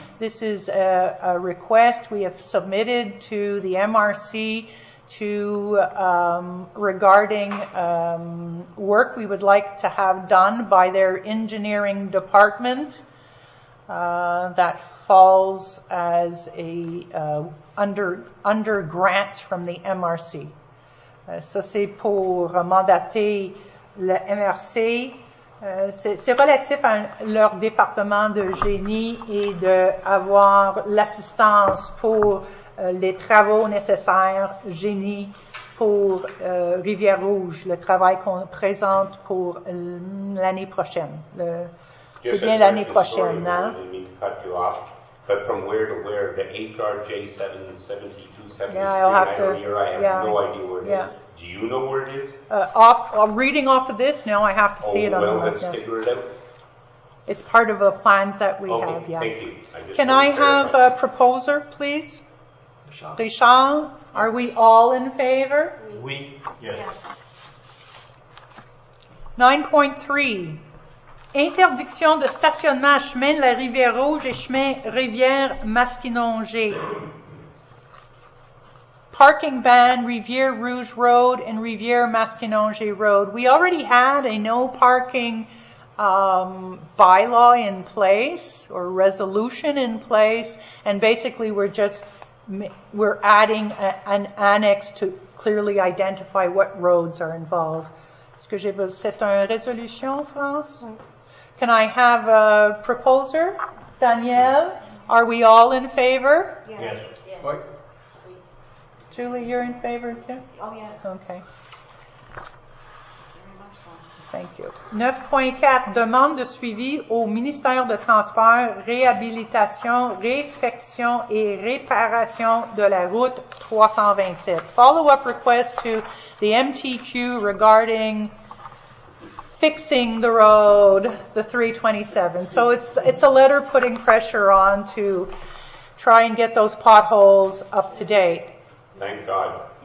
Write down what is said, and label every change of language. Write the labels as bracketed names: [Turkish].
[English] This is a request we have submitted to the MRC to regarding work we would like to have done by their engineering department that falls as a under grants from the MRC. [French] Ça c'est pour mandater le MRC. C'est relatif à leur département de génie et de avoir l'assistance pour les travaux nécessaires génie pour Rivière Rouge, le travail qu'on présente pour l'année prochaine. C'est bien l'année prochaine, non? [English] I didn't mean to cut you off, but from where to where, the HRJ 7727, yeah, I have no idea where yeah. it is. Do you know where it is? Reading off of this, no, I have to see it on well, the website. Oh, well, let's figure it out. It's part of the plans that we okay, have, thank yeah. thank you. I Can I have a proposer, please? Richard, are we all in favor? [French] Oui. [English] Yes. 9.3. [French] Interdiction de stationnement à chemin de la Rivière Rouge et chemin Rivière Masquinongé. [English] Parking ban, Rivière Rouge Road and Rivière Masquinongé Road. We already had a no parking bylaw in place or resolution in place, and basically we're adding an annex to clearly identify what roads are involved. [French] Est-ce que j'ai besoin de cette résolution, France? [English] Can I have a proposer? Danielle, are we all in favor? Yes. Yes. Yes. Julie, you're in favor too? Oh, yes. Okay. Thank you. [French] 9.4, demande de suivi au ministère de Transport, réhabilitation, réfection et réparation de la route 327. [English] Follow-up request to the MTQ regarding fixing the road, the 327. So it's a letter putting pressure on to try and get those potholes up to date. Thank God.